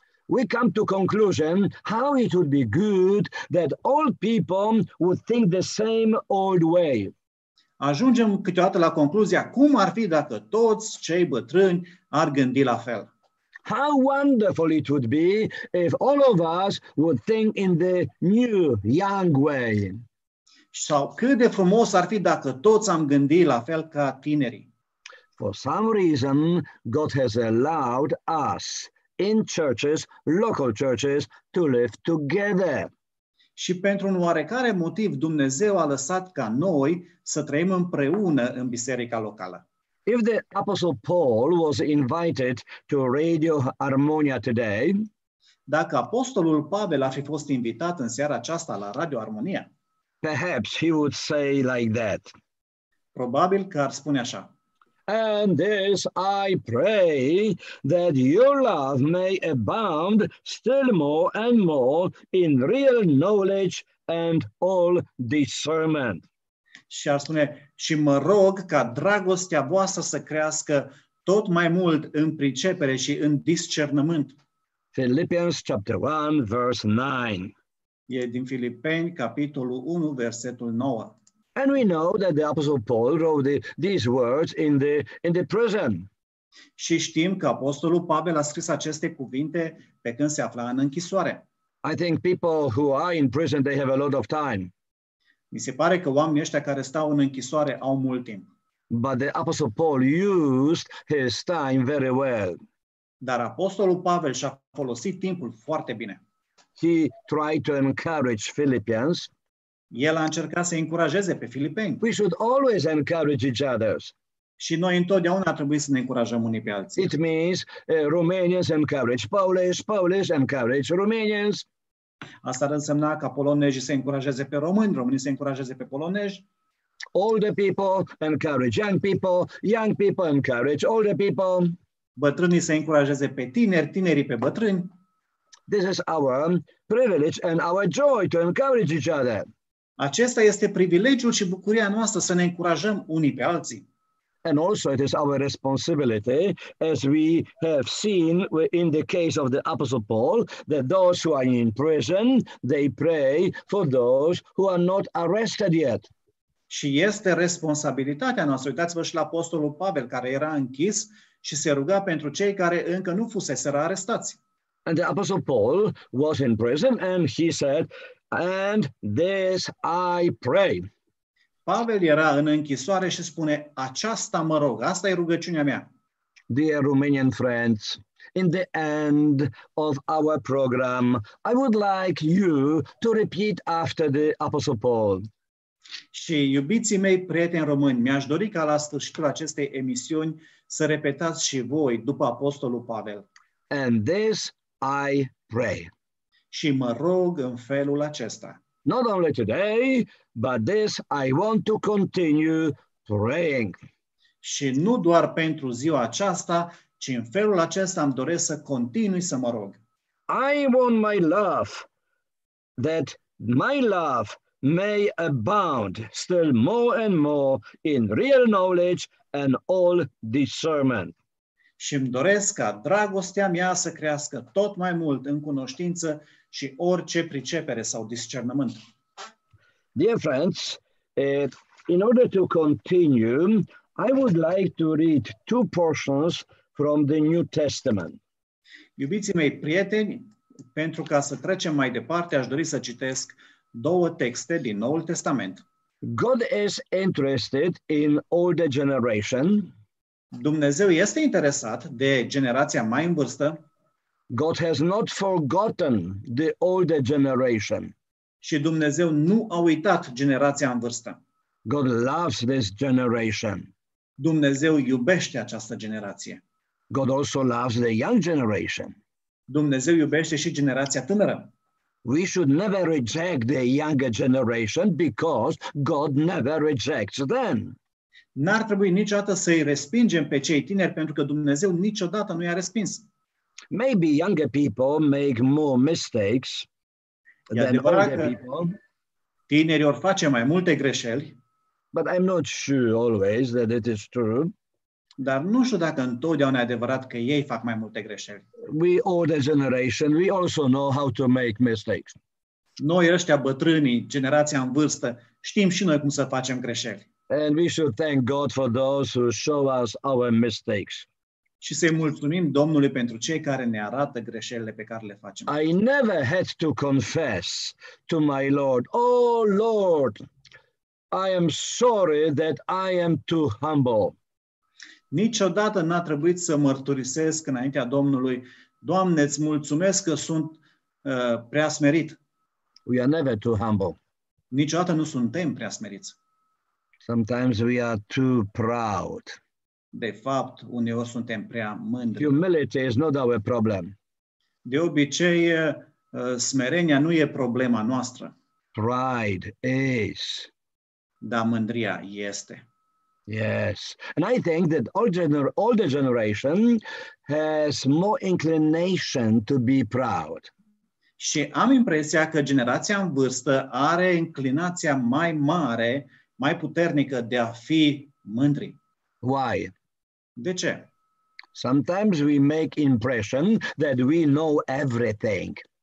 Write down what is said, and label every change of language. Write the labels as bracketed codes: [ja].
[en] We come to conclusion how it would be good that all people would think the same old way. [ro] Ajungem câteodată la concluzia cum ar fi dacă toți cei bătrâni ar gândi la fel. [en] How wonderful it would be if all of us would think in the new, young way. [ro] Sau cât de frumos ar fi dacă toți am gândi la fel ca tinerii. [en] For some reason, God has allowed us in churches, local churches, to live together. [ro] Și pentru un oarecare motiv, Dumnezeu a lăsat ca noi să trăim împreună în biserica locală. [en] If the Apostle Paul was invited to Radio Harmonia today, [ro] dacă Apostolul Pavel ar fi fost invitat în seara aceasta la Radio Harmonia, [en] perhaps he would say like that. [ro] Probabil că ar spune așa. [en] And this I pray that your love may abound still more and more in real knowledge and all discernment. [ro] Și ar spune, și mă rog ca dragostea voastră să crească tot mai mult în pricepere și în discernământ. [en] Philippians chapter 1, verse 9. [ro] E din Filipeni, capitolul 1, versetul 9. [en] And we know that the Apostle Paul wrote these words in the prison. [ro] Și știm că Apostolul Pavel a scris aceste cuvinte pe când se afla în închisoare. [en] I think people who are in prison, they have a lot of time. [ro] Mi se pare că oamenii ăștia care stau în închisoare au mult timp. [en] But the Apostle Paul used his time very well. [ro] Dar Apostolul Pavel și-a folosit timpul foarte bine. [en] He tried to encourage Philippians. [ro] El a încercat să încurajeze pe filipeni. [en] We should always encourage each other. [ro] Și noi întotdeauna trebuie să ne încurajăm unii pe alții. [en] It means Romanians encourage Polish, Polish encourage Romanians. [ro] Asta ar însemna ca polonezii să încurajeze pe români, românii să încurajeze pe polonezi. [en] Older people encourage young people encourage older people. [ro] Bătrânii să încurajeze pe tineri, tinerii pe bătrâni. [en] This is our privilege and our joy to encourage each other. [ro] Acesta este privilegiul și bucuria noastră să ne încurajăm unii pe alții. [en] And also it is our responsibility, as we have seen in the case of the Apostle Paul, that those who are in prison, they pray for those who are not arrested yet. [ro] Și este responsabilitatea noastră. Uitați-vă și la Apostolul Pavel, care era închis și se ruga pentru cei care încă nu fuseseră arestați. [en] And the Apostle Paul was in prison and he said, and this I pray. [ro] Pavel era în închisoare și spune, aceasta mă rog, asta e rugăciunea mea. [en] Dear Romanian friends, in the end of our program, I would like you to repeat after the Apostle Paul. [ro] Și iubiții mei, prieteni români, mi-aș dori ca la sfârșitul acestei emisiuni să repetați și voi după Apostolul Pavel. [en] And this I pray. [ro] Și mă rog în felul acesta. [en] Not only today, but this I want to continue praying. [ro] Și nu doar pentru ziua aceasta, ci în felul acesta îmi doresc să continui să mă rog. [en] I want my love, that my love may abound still more and more in real knowledge and all discernment. [ro] Și îmi doresc ca dragostea mea să crească tot mai mult în cunoștință și orice pricepere sau discernământ. [en] Dear friends, in order to continue, I would like to read two portions from the New Testament. [ro] Iubiții mei prieteni, pentru ca să trecem mai departe, aș dori să citesc două texte din Noul Testament. [en] God is interested in older generation. [ro] Dumnezeu este interesat de generația mai în vârstă. [en] God has not forgotten the older generation. [ro] Și Dumnezeu nu a uitat generația în vârstă. [en] God loves this generation. [ro] Dumnezeu iubește această generație. [en] God also loves the young generation. [ro] Dumnezeu iubește și generația tânără. [en] We should never reject the younger generation because God never rejects them. [ro] N-ar trebui niciodată să îi respingem pe cei tineri pentru că Dumnezeu niciodată nu i-a respins. [en] Maybe younger people make more mistakes than older people. [ro] Tinerii or face mai multe greșeli. [en] But I'm not sure always that it is true. [ro] Dar nu știu dacă întotdeauna e adevărat că ei fac mai multe greșeli. [en] We older generation, we also know how to make mistakes. [ro] Noi ăștia bătrânii, generația în vârstă, știm și noi cum să facem greșeli. [en] And we should thank God for those who show us our mistakes. [ro] Și să-i mulțumim Domnului pentru cei care ne arată greșelile pe care le facem. [en] I never had to confess to my Lord, oh Lord, I am sorry that I am too humble. [ro] Niciodată n-a trebuit să mărturisesc înaintea Domnului, Doamne, îți mulțumesc că sunt prea smerit. [en] We are never too humble. [ro] Niciodată nu suntem prea smeriți. [en] Sometimes we are too proud. [ro] De fapt, uneori suntem prea mândri. [en] Humility is not our problem. [ro] De obicei, smerenia nu e problema noastră. [en] Pride is. [ro] Dar mândria este. [en] Yes. And I think that older generation has more inclination to be proud. [ro] Și am impresia că generația în vârstă are inclinația mai mare, mai puternică de a fi mândri. [en] Why? [ro] De ce? [en] Sometimes we make impression that we know everything.